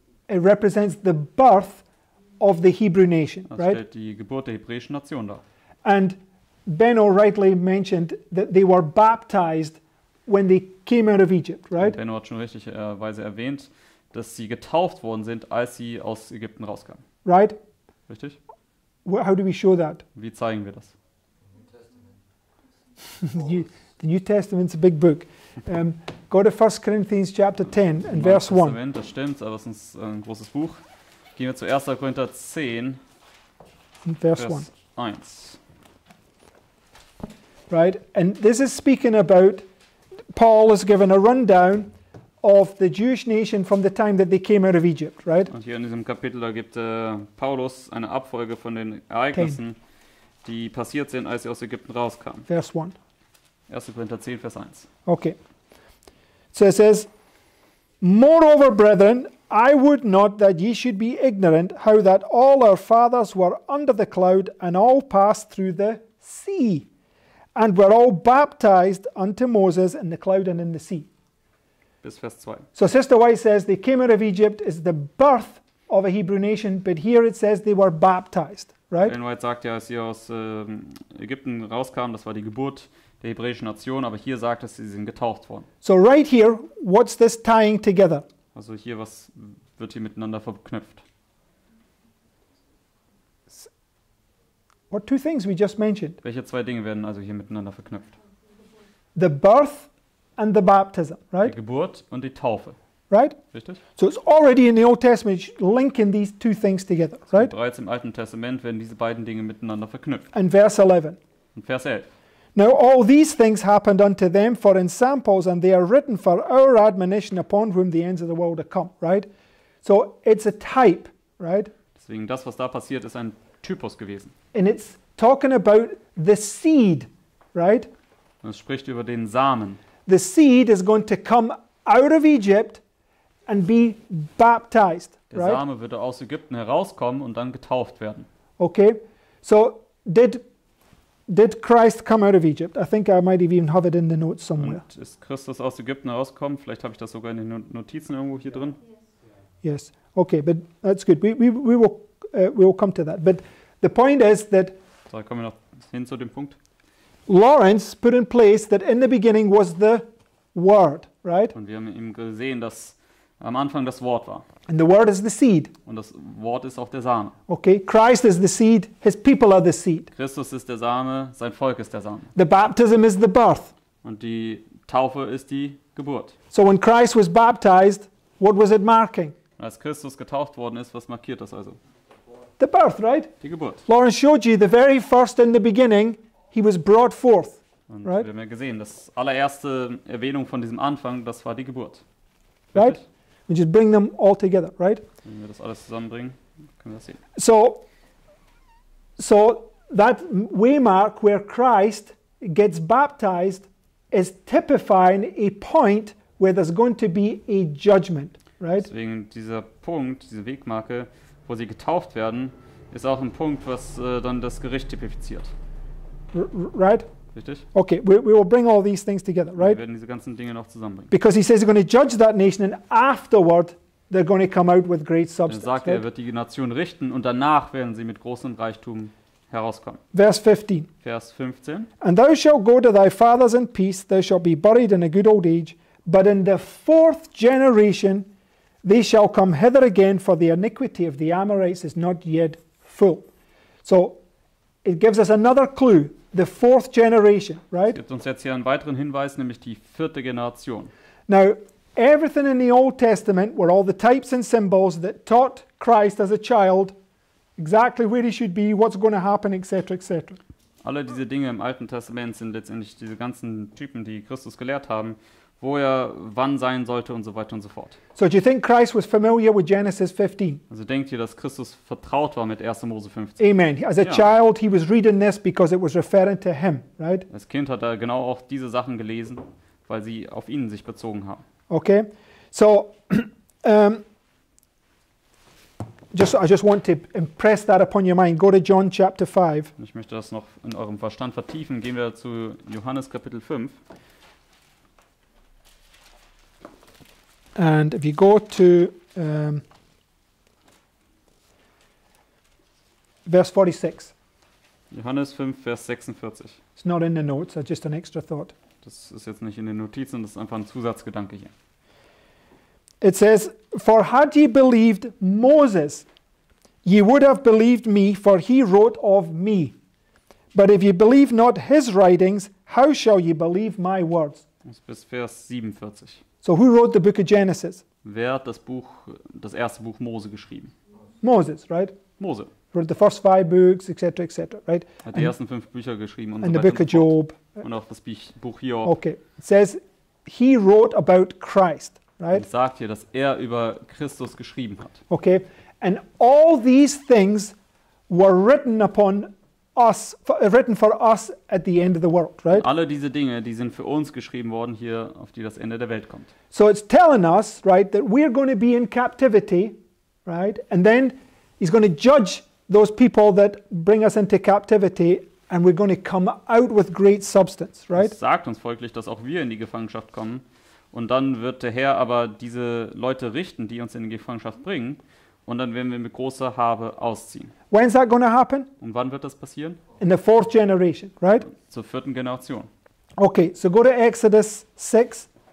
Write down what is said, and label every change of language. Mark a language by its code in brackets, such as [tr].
[en] It represents the birth of the Hebrew nation, [de] das [en] right? [de] Das stellt die Geburt der hebräischen Nation dar. [en] And Benno rightly mentioned that they were baptized when they came out of Egypt, right? [de] Benno hat schon richtigerweise erwähnt, dass sie getauft worden sind, als sie aus Ägypten rauskamen. [en] Right? [de] Richtig? [en] How do we show that? [de] Wie zeigen wir das? [en] The New Testament's a big book. Go to 1 Corinthians chapter 10 and verse 1. [de] Testament, das stimmt, aber es ist ein großes Buch. Gehen wir zu 1. Korinther 10, Vers 1. [en] Right, and this is speaking about, Paul has given a rundown of the Jewish nation from the time that they came out of Egypt, right? [de] Und hier in diesem Kapitel, da gibt Paulus eine Abfolge von den Ereignissen, die passiert sind, als sie aus Ägypten rauskamen. Vers 1. 1. Korinther 10, Vers 1. [en] Okay. So it says, Moreover, brethren, I would not that ye should be ignorant how that all our fathers were under the cloud and all passed through the sea and were all baptized unto Moses in the cloud and in the sea. [de] Bis Vers 2. [en] So Sister White says, they came out of Egypt is the birth of a Hebrew nation, but here it says they were baptized. Right? [de] Ben White sagt ja, als sie aus Ägypten rauskamen, das war die Geburt der hebräischen Nation, aber hier sagt es, sie sind getauft worden. [en] So right here, what's this tying together? [de] Also hier, was wird hier miteinander verknüpft? [en] What two things we just mentioned? [de] Welche zwei Dinge werden also hier miteinander verknüpft? [en] The birth and the baptism, right? [de] Die Geburt und die Taufe. [en] Right? [de] Richtig? [en] So it's already in the Old Testament linking these two things together, right? [de] So bereits im Alten Testament werden diese beiden Dinge miteinander verknüpft. [en] And verse 11. [de] Und Vers 11. [en] Now all these things happened unto them for in samples, and they are written for our admonition upon whom the ends of the world are come, right? So it's a type, right? [de] Deswegen das, was da passiert, ist ein Typus gewesen. [en] And it's talking about the seed, right? [de] Und es spricht über den Samen. [en] The seed is going to come out of Egypt and be baptized, right? [de] Der Same wird aus Ägypten herauskommen und dann getauft werden. [en] Okay, so did Christ come out of Egypt? I think I might have even have it in the notes somewhere. [de] Und ist Christus aus Ägypten herausgekommen? Vielleicht habe ich das sogar in den Notizen irgendwo hier drin. [en] Yes. Okay, but that's good. We will come to that. But the point is that. [de] So kommen wir noch hin zu dem Punkt. [en] Lawrence put in place that in the beginning was the Word, right? [de] Und wir haben eben gesehen, dass am Anfang das Wort war. [en] And the word is the seed. [de] Und das Wort ist auch der Same. [en] Okay, Christ is the seed, his people are the seed. [de] Christus ist der Same, sein Volk ist der Same. [en] The baptism is the birth. [de] Und die Taufe ist die Geburt. [en] So when Christ was baptized, what was it marking? [de] Als Christus getauft worden ist, was markiert das also? [en] The birth, right? [de] Die Geburt. [en] Lawrence showed you the very first in the beginning, he was brought forth, [de] und [en] right? [de] Wir haben ja gesehen, das allererste Erwähnung von diesem Anfang, das war die Geburt. Richtig? [en] Right? We just bring them all together, right? [de] Wenn wir das alles zusammenbringen, können wir das sehen. [en] So that waymark where Christ gets baptized is typifying a point where there's going to be a judgment, right? [de] Deswegen dieser Punkt, diese Wegmarke, wo sie getauft werden, ist auch ein Punkt, was dann das Gericht typifiziert. [en] Right? [de] Richtig? [en] Okay, we will bring all these things together, right? [de] Wir werden diese ganzen Dinge noch zusammenbringen. [en] Because he says he's going to judge that nation and afterward they're going to come out with great substance. [de] Er sagt, [en] right? [de] Er wird die Nation richten und danach werden sie mit großem Reichtum herauskommen. [en] Verse 15. [de] Vers 15. [en] And thou shalt go to thy fathers in peace, thou shalt be buried in a good old age, but in the fourth generation they shall come hither again, for the iniquity of the Amorites is not yet full. So, it gives us another clue. The fourth generation, right? [de] Es gibt uns jetzt hier einen weiteren Hinweis, nämlich die vierte Generation. [en] Now, everything in the Old Testament were all the types and symbols that taught Christ as a child exactly where he should be, what's going to happen, etc., etc. [de] Alle diese Dinge im Alten Testament sind letztendlich diese ganzen Typen, die Christus gelehrt haben, wo er wann sein sollte und so weiter und so fort. [en] So, do you think Christ was familiar with Genesis 15? [de] Also denkt ihr, dass Christus vertraut war mit 1. Mose 15? Amen. [en] As a child, he was reading this because it was referring to him, right? [de] Als Kind hat er genau auch diese Sachen gelesen, weil sie auf ihn sich bezogen haben. [en] Okay. So, I just want to impress that upon your mind. Go to John chapter 5. [de] Ich möchte das noch in eurem Verstand vertiefen. Gehen wir zu Johannes Kapitel 5. [en] And if you go to verse 46. [de] Johannes 5, Vers 46. [en] It's not in the notes, it's just an extra thought. [de] Das ist jetzt nicht in den Notizen, das ist einfach ein Zusatzgedanke hier. [en] It says, for had ye believed Moses, ye would have believed me, for he wrote of me. But if ye believe not his writings, how shall ye believe my words? [de] Das ist bis Vers 47. [en] So who wrote the book of Genesis? [de] Wer hat das Buch, das erste Buch Mose geschrieben? [en] Moses, right? [de] Mose. [en] Wrote the first five books, etc., etc., right? [de] Hat die ersten fünf Bücher geschrieben und [en] the book of Job. [de] Und auch das Buch Hiob. [en] Okay, it says he wrote about Christ, right? [de] Und sagt hier, dass er über Christus geschrieben hat. [en] Okay, and all these things were written upon us, written for us at the end of the world, right? [de] Und alle diese Dinge, die sind für uns geschrieben worden hier, auf die das Ende der Welt kommt. [en] So it's telling us, right, that we're going to be in captivity, right, and then he's going to judge those people that bring us into captivity, and we're going to come out with great substance, right? [de] Das sagt uns folglich, dass auch wir in die Gefangenschaft kommen, und dann wird der Herr aber diese Leute richten, die uns in die Gefangenschaft bringen, und dann werden wir mit großer Habe ausziehen. [en] When's that going to happen? [de] Und wann wird das passieren? [en] In the fourth generation, right? [de] Zur vierten Generation. [en] Okay, so go to Exodus 6.